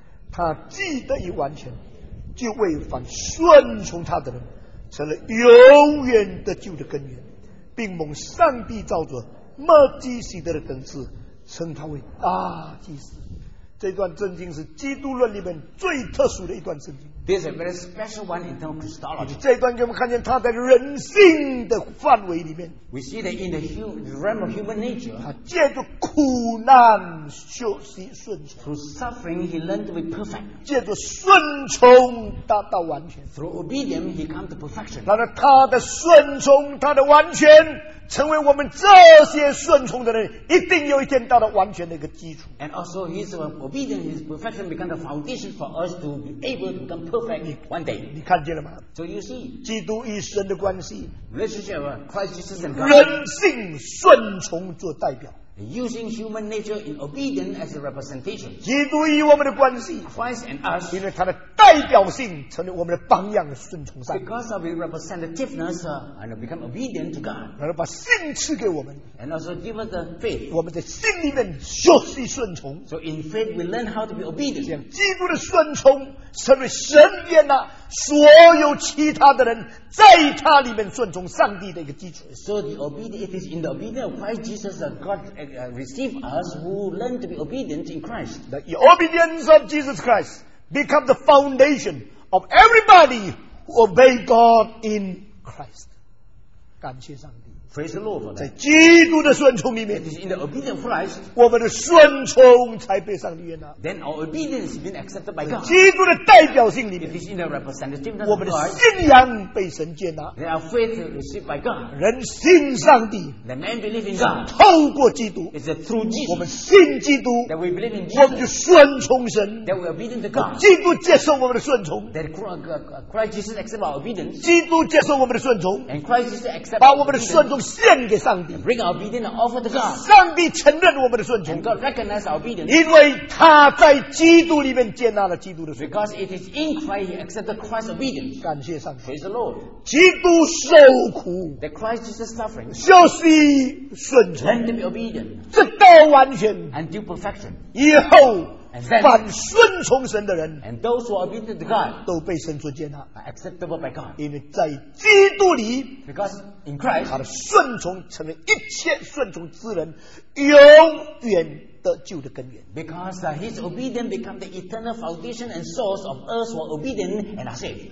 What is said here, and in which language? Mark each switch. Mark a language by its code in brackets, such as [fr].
[zh] 他既得以完全就为凡顺从他的人成了永远的救的根源并蒙上帝造作麦基洗德的等次称他为大祭司这段圣经是基督论里面最特殊的一段圣经 [en] This is a very special one in terms of Christology [zh] 这段给我们看见他在人性的范围里面 [en] We see that in the realm of human nature [zh] 他借着苦难修习顺从 [en] Through suffering he learned to be perfect [zh] 借着顺从达到完全 [en] Through obedience he came to perfection [zh] 然而他的顺从他的完全成为我们这些顺从的人一定有一天到了完全的一个基础 [en] and also his obedience his perfection become the foundation for us to be able to become perfect one day [zh] 你看见了吗 [en] so you see [zh] 基督与神的关系 [en] relationship of Christ Jesus and God [zh] 人性顺从做代表 [en] using human nature in obedience as a representation [zh] 基督与我们的关系 [en] Christ and us [zh] 因为他的代表性成为我们的榜样顺从上 [en] because of his representativeness and become obedient to God [zh] 然后把信赐给我们 [en] and also give us the faith [zh] 我们在信里面学习顺从 [en] so in faith we learn how to be obedient [zh] 这样基督的顺从成为神殿的所有其他的人在他里面顺从上帝的一个基础 [en] so the obedience it is in the obedience of Christ Jesus that God receive us who learn to be obedient in Christ the obedience of Jesus ChristBecome the foundation of everybody who obey God in Christ. [zh] 感谢上帝。 [en] Praise the Lord for that. [zh] 在基督的顺从里面。 [en] It is in the obedience of Christ. [zh] 我们的顺从才被上帝悦纳。 [en] Then our obedience has been accepted by God. [zh] 基督的代表性里面。 [en] It is in the representativeness of God. [zh] 我们的信仰被神接纳。 [en] Then our faith is received by God. [zh] 人信上帝。 [en] The man believes in God. [zh] 透过基督。 [en] It's through Jesus. [zh] 我们信基督。 [en] That we believe in Jesus. [zh] 我们就顺从神。 [en] That we are obedient to God. [zh] 基督接受我们的顺从。 [en] That Christ Jesus accepts our obedience. [zh] 基督接受我们的顺从。 [en] And Christ Jesus accepts our obedience. [zh] 把我们的顺从献给上帝 [en] bring our obedience offer to God. [zh] 上帝承认我们的顺从 [en] and God recognize our obedience. [zh] 因为他在基督里面接纳了基督的顺从 [en] because it is in Christ he accepted Christ's obedience. [zh] 感谢上帝 [en] praise the Lord. [zh] 基督受苦 [en] that Christ Jesus suffering. [zh] 就是顺从 [en] learn to be obedient. [zh] 直到完全 [en] and do perfection. [zh] 以后凡顺从神的人 [en] and those who are obedient to God [zh] 都被神所接纳 [en] are acceptable by God [zh] 因为在基督里 [en] because in Christ [zh] 他的顺从成为一切顺从之人永远得救的根源。 [en] Because his obedience became the eternal foundation and source of us were obedient and are saved.